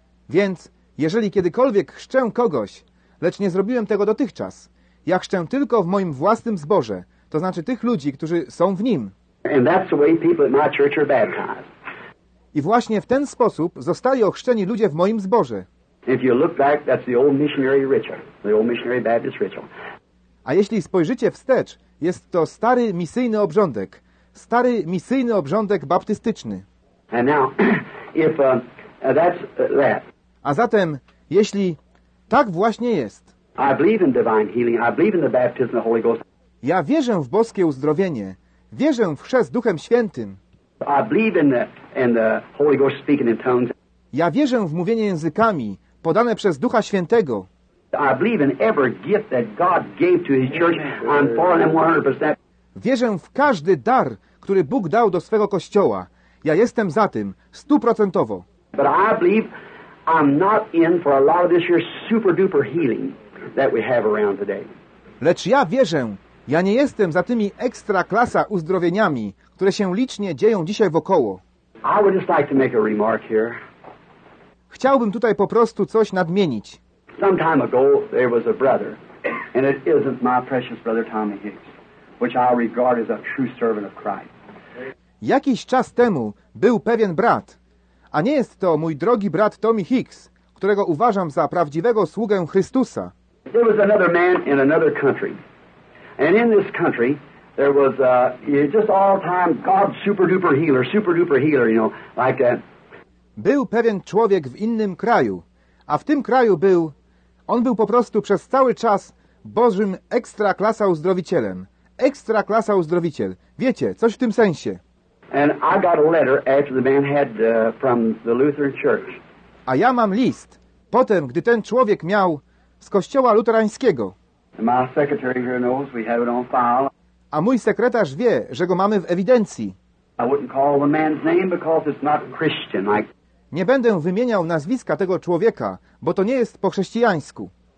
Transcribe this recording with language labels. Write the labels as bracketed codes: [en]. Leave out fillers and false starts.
[pl] Więc, jeżeli kiedykolwiek chrzczę kogoś, lecz nie zrobiłem tego dotychczas, ja chrzczę tylko w moim własnym zborze, to znaczy tych ludzi, którzy są w nim. [en] And that's the way people at my church are baptized. [pl] I właśnie w ten sposób zostali ochrzczeni ludzie w moim zborze. [en] If you look back, that's the old missionary ritual, the old missionary Baptist ritual. [pl] A jeśli spojrzycie wstecz, jest to stary misyjny obrządek. Stary misyjny obrządek baptystyczny. [en] And now, if, that's that. [pl] A zatem, jeśli tak właśnie jest. [en] I believe in divine healing. I believe in the baptism of the Holy Ghost. [pl] Ja wierzę w boskie uzdrowienie. Wierzę w chrzest Duchem Świętym. [en] I believe in the Holy Ghost speaking in tongues. [pl] Ja wierzę w mówienie językami podane przez Ducha Świętego. [en] I believe in every gift that God gave to his church. I'm for them 100%. [pl] Wierzę w każdy dar, który Bóg dał do swego kościoła. Ja jestem za tym 100%. [en] But I believe I'm not in for a lot of this year's super duper healing that we have around today. [pl] Lecz ja wierzę, ja nie jestem za tymi ekstra klasa uzdrowieniami, które się licznie dzieją dzisiaj wokoło. [en] I would just like to make a remark here. [pl] Chciałbym tutaj po prostu coś nadmienić. [en] Some time ago there was a brother, and it isn't my precious brother Tommy Hicks, which I regard as a true servant of Christ. [pl] Jakiś czas temu był pewien brat, a nie jest to mój drogi brat Tommy Hicks, którego uważam za prawdziwego sługę Chrystusa. [en] There was another man in another country, and in this country there was just all time God super duper healer, you know, like that. [pl] Był pewien człowiek w innym kraju, a w tym kraju był. On był po prostu przez cały czas Bożym ekstra klasa uzdrowicielem. Ekstra klasa uzdrowiciel. Wiecie, coś w tym sensie. [en] And I got a letter after the man had from the Lutheran church. [pl] A ja mam list, potem, gdy ten człowiek miał z kościoła luterańskiego. [en] My secretary here knows we have it on file. [pl] A mój sekretarz wie, że go mamy w ewidencji. [en] I wouldn't call the man's name because it's not Christian. [pl] Nie będę wymieniał nazwiska tego człowieka, bo to nie jest po chrześcijańsku.